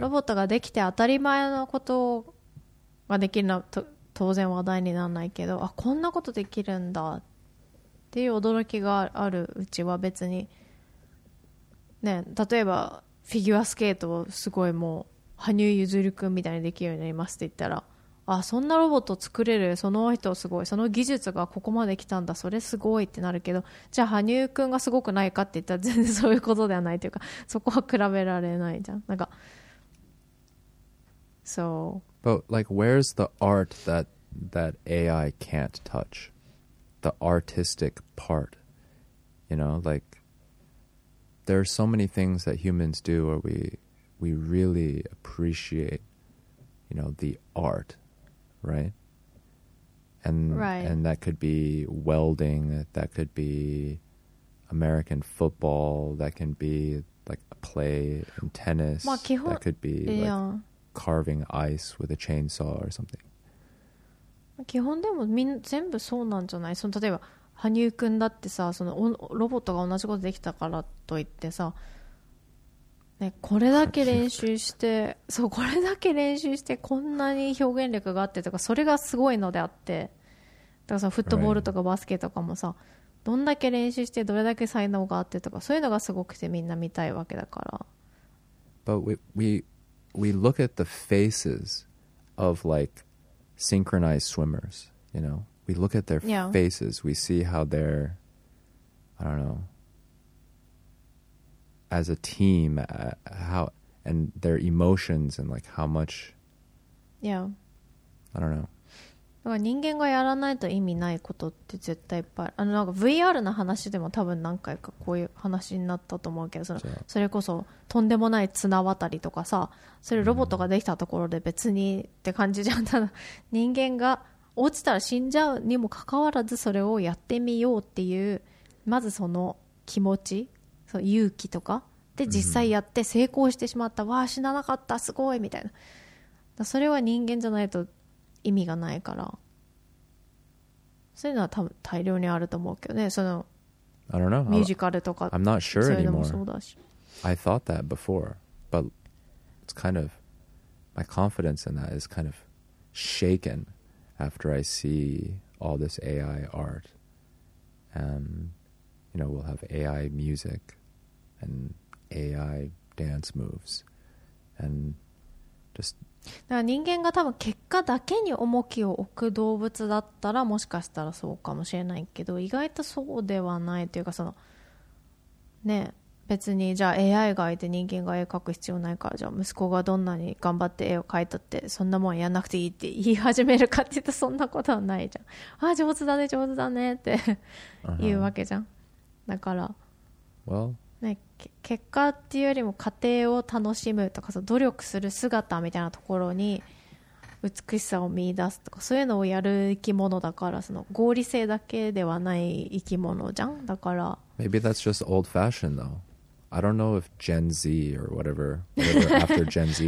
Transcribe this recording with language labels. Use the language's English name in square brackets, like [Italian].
[Japanese] ロボットができて当たり前のことができるのと当然話題にならないけど、あ、こんなことできるんだっていう驚きがあるうちは別にね、例えばフィギュアスケートをすごいもう羽生結弦くんみたいにできるようになりますって言ったら、あ、そんなロボット作れる、その人すごい、その技術がここまで来たんだ、それすごいってなるけど、じゃあ羽生くんがすごくないかって言ったら全然そういうことではないというか、そこは比べられないじゃん、なんか。 [English] So But like where's the art that that AI can't touch? The artistic part, you know, like there are so many things that humans do where we really appreciate, you know, the art, right? And, right. And that could be welding, that could be American football, that can be like a play in tennis, that could be like yeah. carving ice with a chainsaw or something. [Japanese] 基本でもみん全部そうなんじゃない？その例えば羽生くんだってさ、そのロボットが同じことできたからといってさ、ね、これだけ練習してそう、これだけ練習してこんなに表現力があってとか、それがすごいのであって、だからさ、フットボールとかバスケとかもさ、どんだけ練習してどれだけ才能があってとか、そういうのがすごくてみんな見たいわけだから。 [English] But we look at the faces of like synchronized swimmers, you know, we look at their yeah. faces, we see how they're, I don't know, as a team, how, and their emotions and like how much, yeah, I don't know. [Japanese] だから人間がやらないと意味ないことって絶対いっぱい、あのなんか VR の話でも多分何回かこういう話になったと思うけど、 それこそとんでもない綱渡りとかさ、それロボットができたところで別にって感じじゃん。ただ人間が落ちたら死んじゃうにもかかわらずそれをやってみようっていう、まずその気持ち、その勇気とかで実際やって成功してしまった、わあ死ななかったすごいみたいな、だそれは人間じゃないと意味がないから、そういうのは多分大量にあると思うけどね。その、 [English] I don't know. [Japanese] ミュージカルとか、 [English] I'm not sure [Japanese] それでもそうだし [English] anymore. I thought that before, but it's kind of my confidence in that is kind of shaken after I see all this AI art, and you know we'll have AI music and AI dance moves and just. [Japanese] だから人間が多分結果だけに重きを置く動物だったらもしかしたらそうかもしれないけど、意外とそうではないというか、そのね、別にじゃあ AI がいて人間が絵描く必要ないから、じゃあ息子がどんなに頑張って絵を描いたってそんなもんやんなくていいって言い始めるかって言ったらそんなことはないじゃん。あ、上手だね上手だねって言うわけじゃん。だから、 [English] well. [Japanese] ね、結果っていうよりも過程を楽しむとか、そう努力する姿みたいなところに美しさを見出すとか、そういうのをやる生き物だから、その合理性だけではない生き物じゃん。だから [English] Maybe that's just old fashioned though. I don't know if Gen Z or whatever after Gen Z